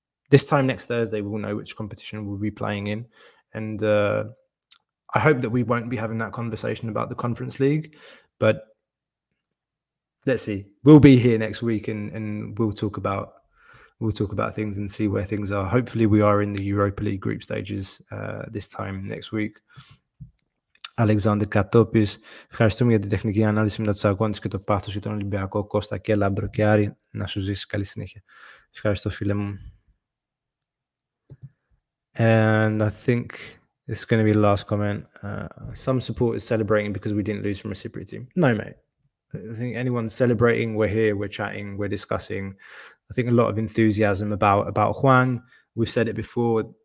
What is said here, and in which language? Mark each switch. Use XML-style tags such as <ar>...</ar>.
<en>This time next Thursday, we'll know which competition we'll be playing in. And I hope that we won't be having that conversation about the Conference League. But let's see. We'll be here next week and we'll talk about things and see where things are. Hopefully, we are in the Europa League group stages this time next week.</en> <el>Αλεξάνδρ Κατόπης, ευχαριστούμε για την τεχνική ανάλυση μετά τους αγώνες και το πάθος για τον Ολυμπιακό Κώστα και Λάμπρο και Άρη. Να σου ζήσει καλή συνέχεια. Ευχαριστώ, φίλε μου.</el> <en>And I think it's going to be the last comment. Some support is celebrating because we didn't lose from a Cypriot team. No, mate. I think anyone celebrating, we're here, we're chatting, we're discussing. I think a lot of enthusiasm about Juan. We've said it before.</en>